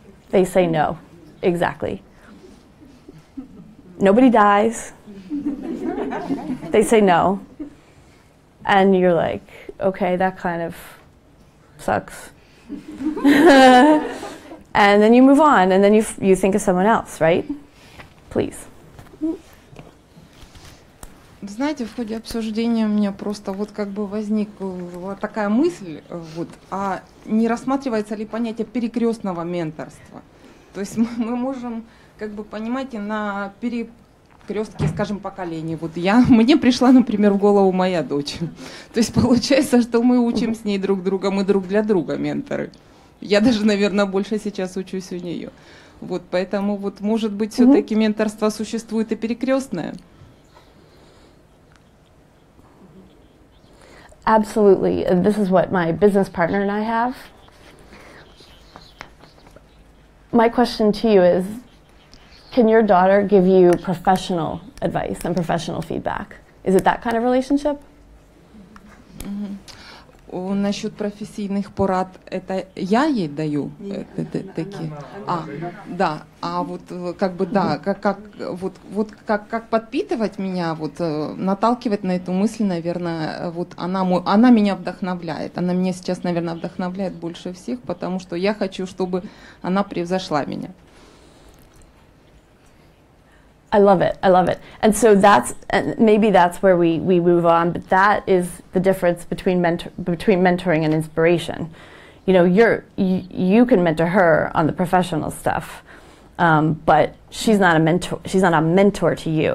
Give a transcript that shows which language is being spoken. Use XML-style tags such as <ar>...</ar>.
<en>They say no. Exactly. Nobody dies. They say no. And you're like, okay, that kind of sucks. And then you move on, and then you think of someone else, right? Please.</en> <ru>Знаете, в ходе обсуждения у меня просто вот как бы возникла такая мысль, вот, а не рассматривается ли понятие перекрестного менторства? То есть мы можем, как бы, понимаете, на перекрестке, скажем, поколений. Вот мне пришла, например, в голову моя дочь. То есть получается, что мы учим с ней друг друга, мы друг для друга менторы. Я даже, наверное, больше сейчас учусь у нее. Вот поэтому вот, может быть, все-таки менторство существует и перекрестное.</ru> <en>Absolutely. This is what my business partner and I have. My question to you is, can your daughter give you professional advice and professional feedback? Is it that kind of relationship?</en> <ru>Насчет профессийных порад, это я ей даю такие. А, да. А вот как бы да, как подпитывать меня, вот наталкивать на эту мысль, наверное, вот она меня вдохновляет. Она меня сейчас, наверное, вдохновляет больше всех, потому что я хочу, чтобы она превзошла меня.</ru> <en>I love it. And so maybe that's where we move on, but that is the difference between mentoring and inspiration. You know, you can mentor her on the professional stuff, but she's not a mentor to you.</en>